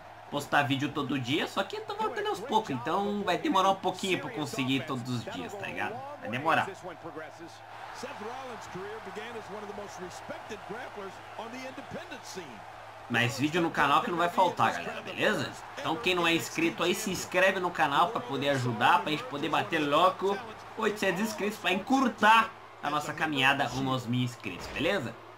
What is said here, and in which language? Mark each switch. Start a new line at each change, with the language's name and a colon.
Portuguese: Postar vídeo todo dia, só que tô voltando aos poucos. Então vai demorar um pouquinho pra conseguir todos os dias, tá ligado? Vai demorar.
English: Seth Rollins' career began as one of the most respected grapplers on the independent scene.
Portuguese: Mais vídeo no canal que não vai faltar, galera, beleza? Então quem não é inscrito aí, se inscreve no canal pra poder ajudar, pra gente poder bater logo 800 inscritos, pra encurtar a nossa caminhada rumo aos 1000 inscritos, beleza?